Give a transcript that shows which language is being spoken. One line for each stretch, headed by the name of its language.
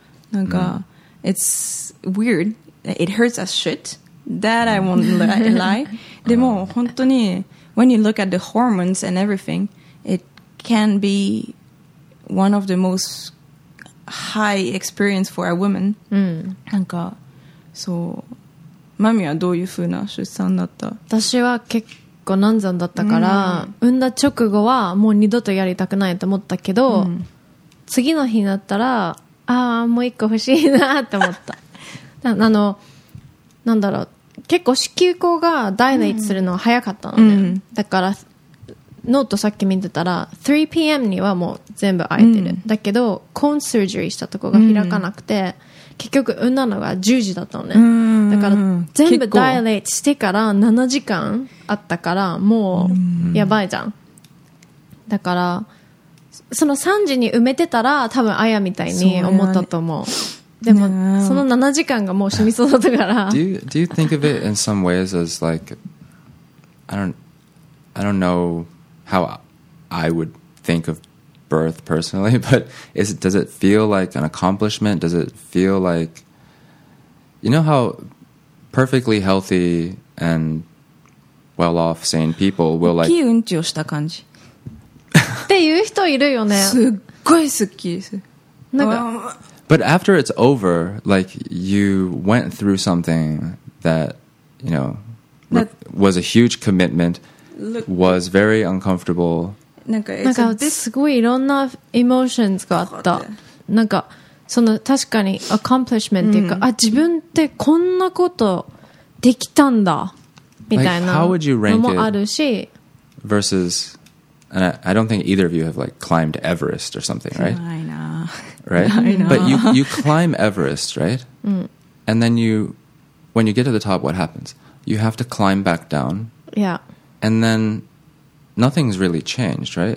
English: なんか、mm. It's weird. It hurts as shit. That I won't lie.
Japanese: でも本当に
English: when you look at the hormones and everything, it can be one of the most high experience for a woman. Mm.
Japanese: なんかそうマミはどういうふうな出産だった？私は結構難産だったから、うん、産んだ直後はもう二度とやりたくないと思ったけど、うん、次の日になったらああもう一個欲しいなって思ったあのなんだろう結構子宮口がダイナイトするのは早かったので、うん、だからノートさっき見てたら 3pm にはもう全部空いてる、うん、だけどコーンサージュリーしたとこが開かなくて、うん結局産んだのが10時だったのねだから全部ダイレイトしてから7時間あったからもうやばいじゃんだからその3時に埋めてたら多分アヤみたいに思ったと思う、ね、でもその7時間がもう死にそうだったから
English: Do you think of it in some ways as like I don't know how I would think ofbirth personally but does it feel like an accomplishment does it feel like you know how perfectly healthy and well off sane people will like
Japanese: 大きいうんちをした感じっていう人いるよねすっごいすっきりするなんか
English: but after it's over like you went through something that you know was a huge commitment was very uncomfortable
Japanese: なんかすごいいろんなエモーションがあったなんかその確かにアコンプリッシュメントっていうか、うん、あ自分ってこんなことできたんだみたいなのもあるし、
English: like、versus and I don't think either of you have like climbed Everest or something right right but you climb Everest right、
Japanese: うん、
English: and then you when you get to the top what happens you have to climb back down yeah and thenNothing's really changed, right?